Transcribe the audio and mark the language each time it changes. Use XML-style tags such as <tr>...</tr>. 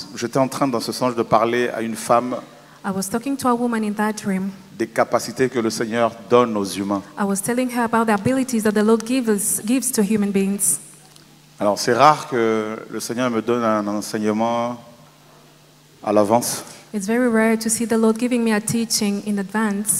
<fr>J'étais en train dans ce songe de parler à une femme.</fr> <en>I was talking to a woman in that dream.</en> <fr>Des capacités que le Seigneur donne aux humains.</fr> <en>I was telling her about the abilities that the Lord gives to human beings.</en> <fr>Alors c'est rare que le Seigneur me donne un enseignement à l'avance.</fr> <en>It's very rare to see the Lord giving me a teaching in advance.</en>